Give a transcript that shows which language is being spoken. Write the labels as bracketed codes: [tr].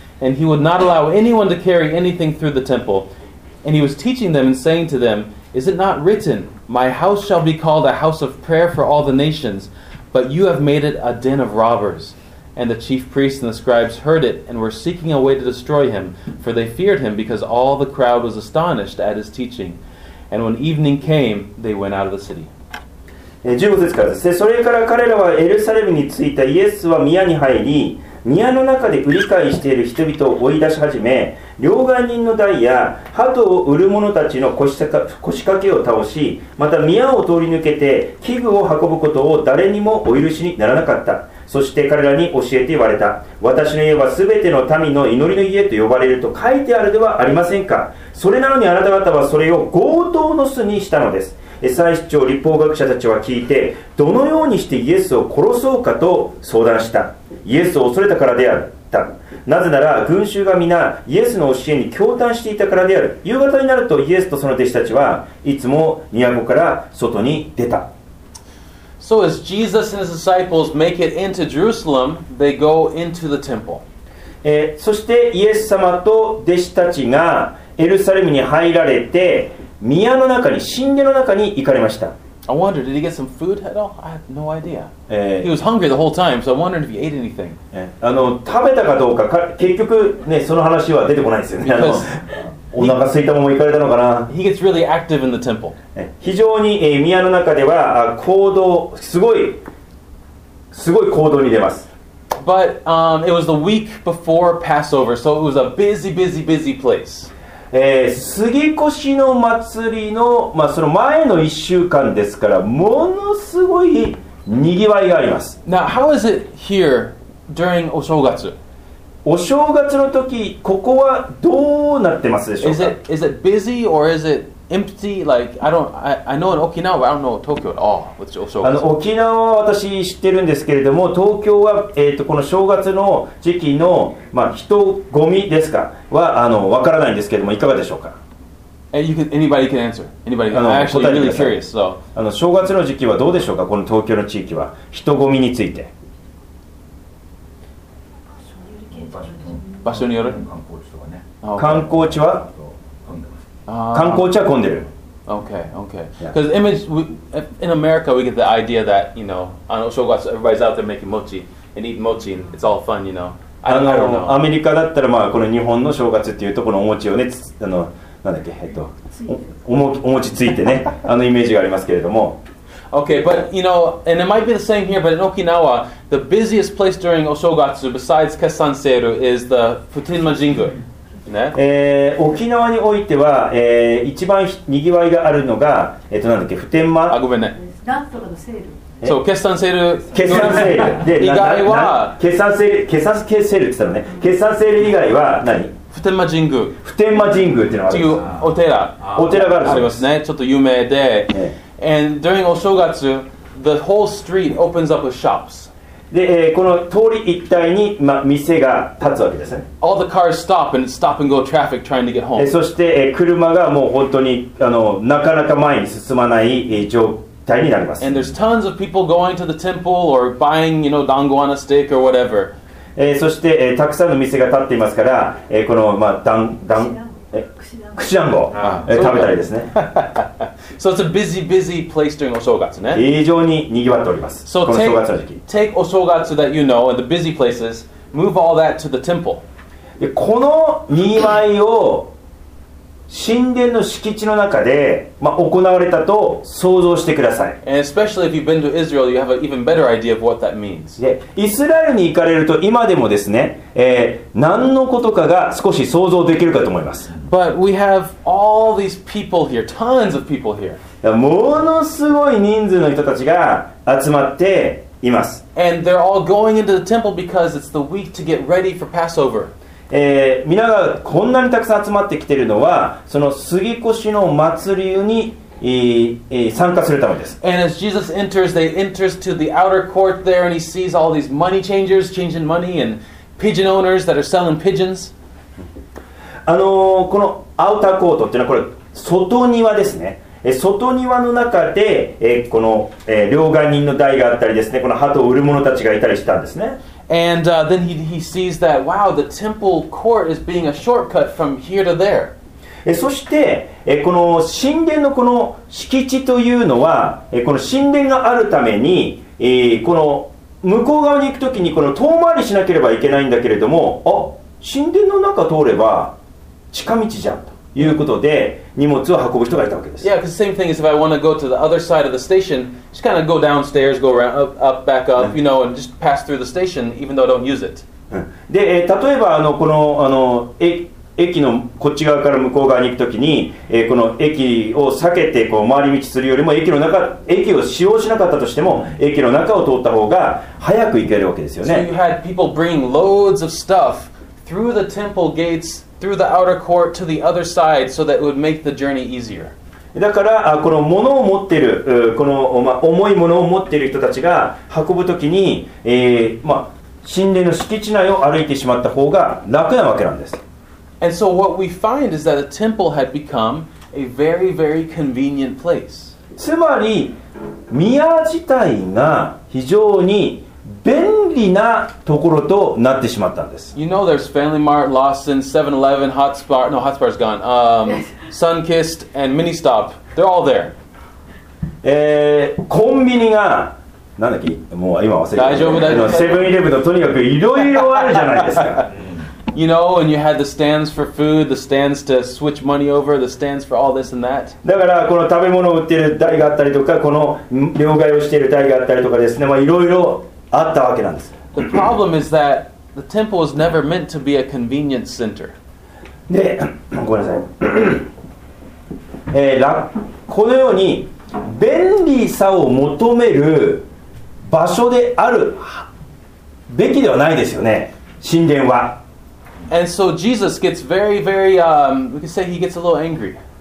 [en] And he would not allow anyone to carry anything through the temple. And he was teaching them and saying to them, Is it not written, My house shall be called a house of prayer for all the nations, but you have made it a den of robbers. And the chief priests and the scribes heard it and were seeking a way to destroy him, for they feared him because all the crowd was astonished at his teaching. And when evening came, they went out of the city. [ja] 15節からですね。それから彼らはエルサレムに着いたイエスは宮に入り、宮の中で売り買いしている人々を追い出し始め、両替人の台や鳩を売る者たちの腰掛けを倒し、また宮を通り抜けて器具を運ぶことを誰にもお許しにならなかった。そして彼らに教えて言われた。私の家は全ての民の祈りの家と呼ばれると書いてあるではありませんか。それなのにあなた方はそれを強盗の巣にしたのです。祭司長、立法学者たちは聞いて、どのようにしてイエスを殺そうかと相談した。イエスを恐れたからであった。なぜなら群衆が皆イエスの教えに驚嘆していたからである。夕方になるとイエスとその弟子たちはいつも宮から外に出た。 [en] So as Jesus and his disciples make it into Jerusalem, they go into the temple. [ja] そしてイエス様と弟子たちがエルサレムに入られて、宮の中に、神殿の中に行かれました。 [en] I wonder, did he get some food at all? I have no idea. He was hungry the whole time, so I wondered if he ate anything. [ja] 食べたかどうか、結局、ね、その話は出てこないですよね。 [en] Because、 [ja] お腹すいたまま行かれたのかな。 [en] He gets really active in the temple. [ja] 非常に、宮の中では行動、すごい行動に出ます。 [en] But、it was the week before Passover, so it was a busy, busy, busy place. [ja] 杉越の祭りの、まあ、その前の1週間ですから、ものすごいにぎわいがあります。 [en] Now, how is it here during お正月? [ja] お正月の時、ここはどうなってますでしょうか? [en] Is it busy or is it empty? Like, I know in Okinawa, but I don't know Tokyo at all with お正月。 [ja] 沖縄は私知ってるんですけれども、東京は、この正月の時期の、まあ、人混みですかはわからないんですけれども、いかがでしょうか。 [en] Anybody can answer. Anybody can actually really curious. So, [ja] 正月の時期はどうでしょうか、この東京の地域は、人混みについて。場所による観光地は観光地は混んでる。 [en] Okay, okay. Because image in America, we get the idea that you know, お正月 everybody's out there making mochi and eating mochi, and it's all fun, you know. I don't know. [ja] アメリカだったら、まあ、この日本の正月っていうと、このお餅をね、なんだっけ、お餅ついてね、イメージがありますけれども。 [en] Okay, but you know, and it might be the same here, but in Okinawa, the busiest place during お正月 besides Kessan Seiru is the Futenma Jingu. [ja] ね、沖縄においては、一番にぎわいがあるのが、なんだっけ、普天間。あ、ごめんね。なんとかのセール。そう、決算セール。決算セール。で、以外は、決算セール、決算セールって言ったのね。決算セール以外は何？普天間神宮。普天間神宮っていうのがある。っていうお寺。お寺があるありますね。ちょっと有名で。 [en] And during お正月、the whole street opens up with shops. [ja] で、この通り一帯に、ま、店が立つわけですね。 [en] All the cars stop and stop and go traffic trying to get home. [ja] そして、車がもう本当になかなか前に進まない、状態になります。 [en] And there's tons of people going to the temple or buying, you know, dango on a stick or whatever. [ja] そして、たくさんの店が立っていますから、この、まあ、クシナンゴ食べたりですね。 [en] So it's a busy, busy place during お正月ね。 [ja] 非常に賑わっております。 [en] So [ja] この正月の時期。 [en] Take お正月 that you know and the busy places, move all that to the temple. [ja] この賑わいを神殿の敷地の中で、まあ、行われたと想像してください。 [en] And especially if you've been to Israel, you have an even better idea of what that means. [ja] で、イスラエルに行かれると今でもですね、何のことかが少し想像できるかと思います。 [en] But we have all these people here, tons of people here. [ja] ものすごい人数の人たちが集まっています。 [en] And they're all going into the temple because it's the week to get ready for Passover. [ja] 皆がこんなにたくさん集まってきているのはその杉越の祭りに、参加するためです。 [en] And as Jesus enters, they enter to the outer court there and he sees all these money changers changing money and pigeon owners that are selling pigeons. [ja] このアウターコートっていうのはこれ外庭ですね。外庭の中で、この、両替人の台があったりですね、この鳩を売る者たちがいたりしたんですね。 [en] And then he sees that, wow, the temple court is being a shortcut from here to there. [ja] そして、この神殿のこの敷地というのは、この神殿があるために、この向こう側に行くときにこの遠回りしなければいけないんだけれども、あ、神殿の中通れば近道じゃんということで荷物を運ぶ人がいたわけです。 [en] Yeah, because the same thing is if I want to go to the other side of the station, just kind of go downstairs, go around, up, back up, you know, and just pass through the station, even though I don't use it. [ja] で、例えばこの駅のこっち側から向こう側に行くときに、この駅を避けてこう回り道するよりも駅の中、駅を使用しなかったとしても、駅の中を通った方が早く行けるわけですよね。 [en] So you had people bringing loads of stuff through the temple gates. Through the outer court to the other side, so that it would make the journey easier. [ja] だから、この物を持っている、この、まあ、重い物を持っている人たちが運ぶときに、まあ、神殿の敷地内を歩いてしまった方が楽なわけなんです。 [en] And so what we find is that the temple had become a very, very convenient place. [ja] つまり、宮自体が非常に便利なところとなってしまったんです。 [en] You know, there's Family Mart, Lawson, 7-Eleven, Hotspur, no, Hotspur's gone. Sunkist and Mini Stop, they're all there. [ja] コンビニが、なんだっけ、もう今忘れてる。大丈夫だよ。 7-Eleven のとにかくいろいろあるじゃないですか。 [en] You know, and you had the stands for food, the stands to switch money over, the stands for all this and that. [ja] だからこの食べ物を売ってる台があったりとか、この両替をしている台があったりとかですね、まあいろいろ。あったわけなんです。 [en] The problem is that the temple was never meant to be a convenience center. [ja] で、ごめんなさい。このように便利さを求める場所であるべきではないですよね。神殿は。 [en] And so Jesus gets very, very, we can say he gets a little angry.